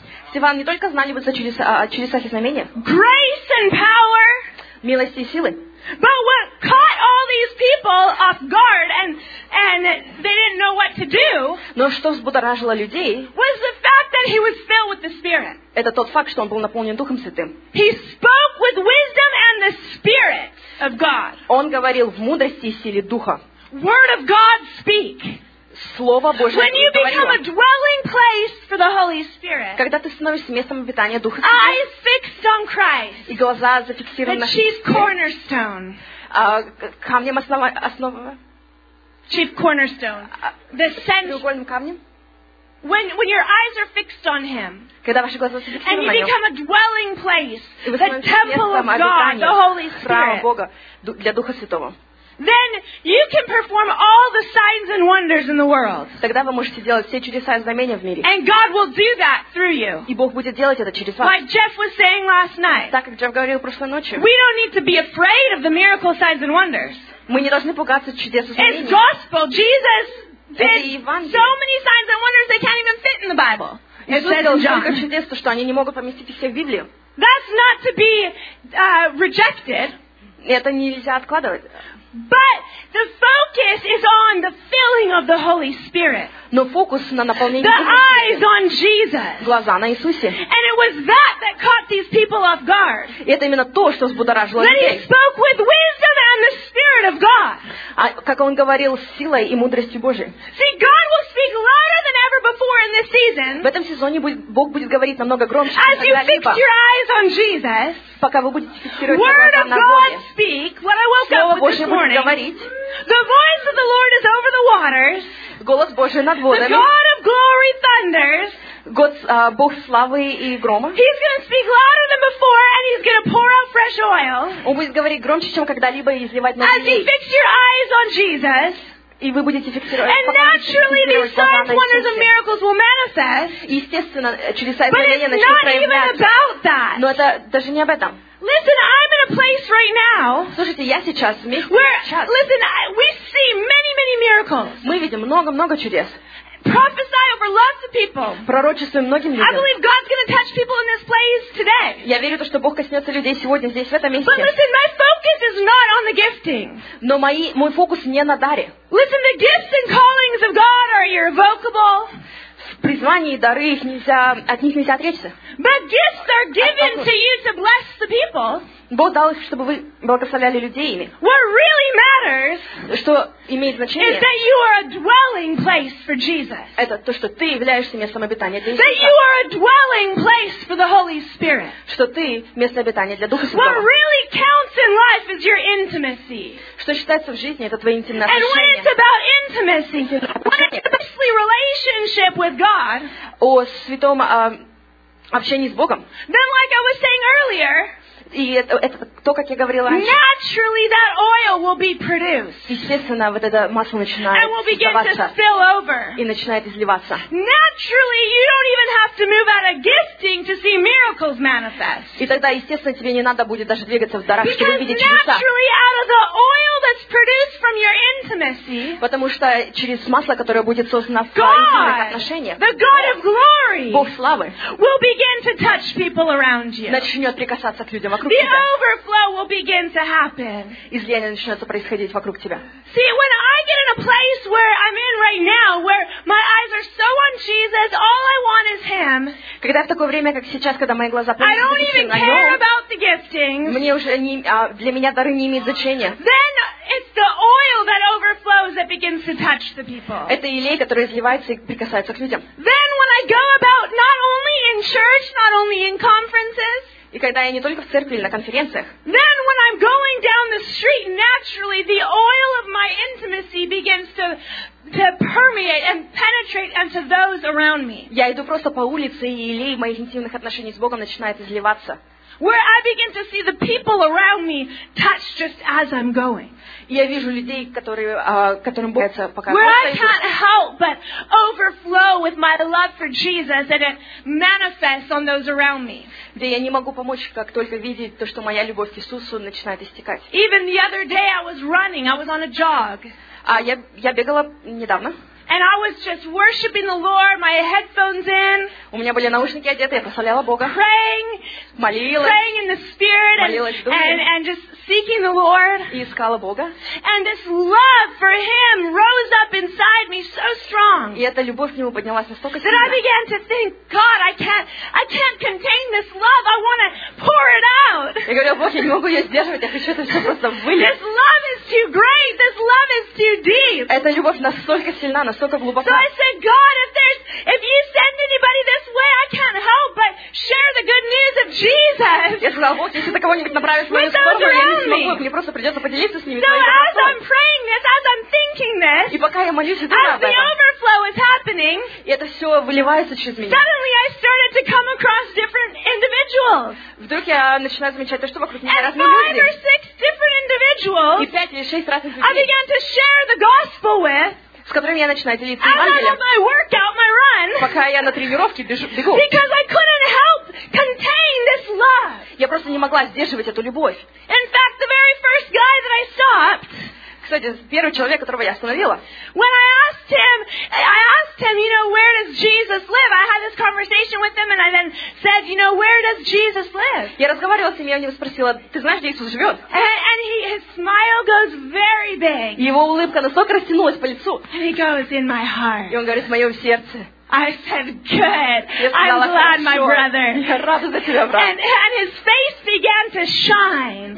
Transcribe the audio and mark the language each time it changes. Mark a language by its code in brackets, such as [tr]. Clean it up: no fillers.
[ru] Стефан не только знали бы за чудеса и знамения, [en] grace and power, [ru] милости и силы, [en] but what caught all these people off guard and they didn't know what to do, [ru] но что взбудоражило людей, [en] was the fact that he was filled with the Spirit. [ru] Это тот факт, что он был наполнен Духом Святым. [en] He spoke with wisdom and the Spirit of God. [ru] Он говорил в мудрости и силе Духа. [en] Word of God speak. [ru] Слово Божье. [en] When you become a dwelling place for the Holy Spirit. [ru] Когда ты становишься местом обитания Духа Святого. [en] Eyes fixed on Christ. [ru] И глаза зафиксированы на Христе. [en] The chief cornerstone. [ru] Камнем основа. [en] Chief cornerstone. The center. [ru] Треугольным камнем. [en] When your eyes are fixed on him. [ru] Когда ваши глаза зафиксированы на нем. [en] And you become a dwelling place. The temple of God, the Holy Spirit. [ru] Храм Бога для Духа Святого. [en] Then you can perform all the signs and wonders in the world. [ru] Тогда вы можете делать все чудеса и знамения в мире. [en] And God will do that through you. [ru] И Бог будет делать это через вас. [en] Like Jeff was saying last night. [ru] Так как Джефф говорил прошлой ночью. [en] We don't need to be afraid of the miracle signs and wonders. [ru] Мы не должны пугаться чудес и знамений. [en] It's gospel. Jesus did so many signs and wonders they can't even fit in the Bible. [ru] Иисус сделал столько чудес, что они не могут поместить их все в Библию. [en] That's not to be rejected. [ru] Это нельзя откладывать. [en] But the focus is on the filling of the Holy Spirit. [ru] Но фокус на наполнении Духа Святого. [en] The eyes on Jesus. [ru] Глаза на Иисусе. [en] And it was that caught these people off guard. [ru] И это именно то, что взбудоражило людей. [en] That he spoke with wisdom and the Spirit of God. [ru] А как он говорил с силой и мудростью Божией. [en] See, God will speak louder than ever before in this season. [ru] В этом сезоне Бог будет говорить намного громче. [en] As you fix your eyes on Jesus. [ru] Пока вы будете фиксировать глаза на Боге. [en] Word of God speak. What I woke up with this morning. The voice of the Lord is over the waters. [ru] Голос Божий над водами. [en] The God of glory thunders. [ru] Бог славы и грома. [en] He's going to speak louder than before, and he's going to pour out fresh oil. [ru] Он будет говорить громче, чем когда-либо, и изливать на людей. [en] As you fix your eyes on Jesus. [ru] И вы будете фиксировать. [en] And naturally, these signs, wonders, and miracles will manifest. [ru] Естественно, чудеса и знамения начнут проявляться. [en] But it's not even about that. [ru] Но это даже не об этом. [en] Listen, I'm in a place right now. [ru] Слушайте, я сейчас [en] where, listen, we see many, many miracles. [ru] Мы видим много чудес. [en] Prophesy over lots of people. [ru] Пророчествуем многим людям. [en] I believe God's going to touch people in this place today. [ru] Я верю то, что Бог коснется людей сегодня здесь в этом месте. [en] But listen, my focus is not on the gifting. [ru] Но мой фокус не на даре. [en] Listen, the gifts and callings of God are irrevocable. [ru] Призвание и дары, от них нельзя отречься. [en] But gifts are given to you to bless the people. [ru] Бог дал их, чтобы вы благословляли людей ими. [en] What really matters, [ru] что имеет значение, [en] is that you are a dwelling place for Jesus. [ru] Это то, что ты являешься местом обитания для Иисуса. [en] That you are a dwelling place for the Holy Spirit. [ru] Что ты место обитания для Духа Святого. [en] What really counts in life is your intimacy. [ru] Что считается в жизни, это твои интимные отношения. [en] And when it's about intimacy, when it's about intimacy relationship with God, [ru] о святом общении с Богом, [en] then like I was saying earlier, [ru] и это то, как я говорила раньше. [en] Naturally, that oil will be produced. [ru] Естественно, вот это масло начинает создаваться. [en] And will begin to spill over. [ru] И начинает изливаться. [en] Naturally, you don't even have to move out of gifting to see miracles manifest. [ru] И тогда, естественно, тебе не надо будет даже двигаться в дарах, чтобы видеть чудеса. [en] Because naturally, out of the oil that's produced from your intimacy. [ru] Потому что через масло, которое будет создано в твоих отношениях. [en] The God of glory. [ru] Бог славы. [en] Will begin to touch people around you. [ru] Начнет прикасаться к людям вокруг [en] the [ru] тебя. [en] The overflow will begin to happen. [ru] Излияние начнется происходить вокруг тебя. [en] See, when I get in a place where I'm in right now, where my eyes are so on Jesus, all I want is Him. [ru] Когда в такое время, как сейчас, когда мои глаза полностью [en] I don't even care about the giftings. [ru] Мне уже не, для меня дары не имеют значения. [en] Then it's the oil that overflows that begins to touch the people. [ru] Это елей, который изливается и прикасается к людям. [en] Then when I go about not only in church, not only in conferences. [ru] И когда я не только в церкви или на конференциях. [en] Then when I'm going down the street, naturally the oil of my intimacy begins to permeate and penetrate into those around me. [ru] Я иду просто по улице, и елей моих интимных отношений с Богом начинает изливаться. [en] Where I begin to see the people around me touch just as I'm going. [ru] Я вижу людей, которые, которым Бог нравится, пока [en] Where I can't help but overflow with my love for Jesus and it manifests on those around me. [ru] Где я не могу помочь, как только видеть то, что моя любовь к Иисусу начинает истекать. [en] Even the other day I was running, I was on a jog. [ru] Я бегала недавно. [en] And I was just worshiping the Lord, my headphones in. [ru] У меня были наушники одеты, я прославляла Бога. [en] Praying, [ru] молилась. [en] Praying in the spirit and just seeking the Lord. [ru] И искала Бога. [en] And this love for Him rose up inside me so strong. [ru] И эта любовь к Нему поднялась настолько сильно. [en] That I began to think, God, I can't contain this love. I want to pour it out. [ru] Я говорила, Бог, я не могу ее сдерживать, я хочу это все просто вылить. [en] This love is too great. This love is too deep. [ru] Эта любовь настолько сильна. [en] So I said, God, if you send anybody this way, I can't help but share the good news of Jesus. [ru] Я сказала, Бог, если ты кого-нибудь направишь в мою сторону, я не смогу, мне просто придется поделиться с ними. [en] So as I'm praying this, as I'm thinking this, [ru] и пока я молюсь, [en] as the overflow is happening, [ru] и это все выливается через меня. [en] Suddenly I started to come across different individuals. [ru] Вдруг я начинаю замечать то, что вокруг меня разные люди. [en] And five or six different individuals, [ru] и пять или шесть разных людей. [en] I began to share the gospel with. [ru] С которым я начинаю делиться Евангелием. [en] My workout, my run, [ru] пока я на тренировке бегу. [en] Because I couldn't help contain this love. [ru] Я просто не могла сдерживать эту любовь. [en] In fact, the very first guy that I stopped, [ru] кстати, первый человек, которого я остановила. [en] When I asked him, you know, where does Jesus live? I had this conversation with him, and I then said, you know, where does Jesus live? [ru] Я разговаривала с ним, я у него спросила, ты знаешь, где Иисус живет? [en] And his smile goes very big. [ru] Его улыбка настолько растянулась по лицу. [en] And he goes, in my heart. [ru] И он говорит, в моем сердце. [en] I said, good. I'm glad, my brother. [ru] Я рада за тебя, брат. [en] And his face began to shine.